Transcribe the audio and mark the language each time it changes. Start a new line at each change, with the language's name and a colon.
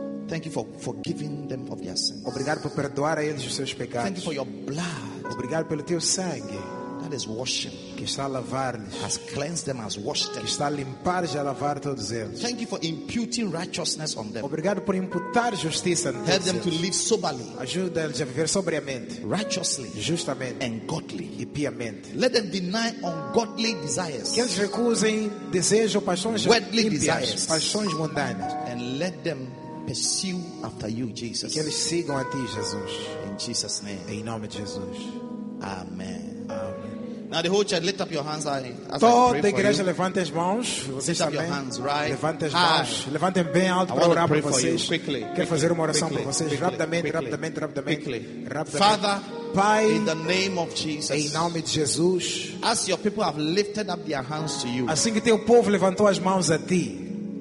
English: Thank you for forgiving them of their sins.
Portuguese: Obrigado por perdoar a eles os seus pecados.
English: Thank you for your blood.
Portuguese: Obrigado pelo teu sangue.
English: That is washing.
Portuguese: Que está a lavar-lhes.
English: Has cleansed them, has washed them.
Portuguese: Que está a limpar-lhes e a lavar todos eles.
English: Thank you for imputing righteousness on them.
Portuguese: Obrigado por imputar justiça neles.
English: Help them to live soberly.
Portuguese: Ajuda-lhes a viver sobriamente.
English: Righteously.
Portuguese: Justamente.
English: And godly.
Portuguese: E piamente.
English: Let them deny ungodly desires.
Portuguese: Que eles recusem desejos ou paixões
English: worldly desires.
Portuguese: Paixões mundanas.
English: And let them pursue after you, Jesus.
Portuguese: Que eles sigam a ti, Jesus.
English: In Jesus' name.
Portuguese: Em nome de Jesus.
English: Amen.
Portuguese: Amen.
English: Now the whole church, lift up your hands.
Portuguese: I toda a igreja, levante as mãos. Vocês também.
English: Lift up your hands, right?
Portuguese: Levante as mãos. Levantem bem alto para orar para vocês.
English: Quickly.
Portuguese: Quero fazer uma oração para vocês.
English: Quickly.
Portuguese: Rapidamente, rapidamente, rapidamente.
English: Quickly.
Portuguese: Rapidamente.
English: Father,
Portuguese: Pai,
English: in the name of Jesus,
Portuguese: em nome de Jesus.
English: As your people have lifted up their hands to you.
Portuguese: Assim que teu povo levantou as mãos a ti.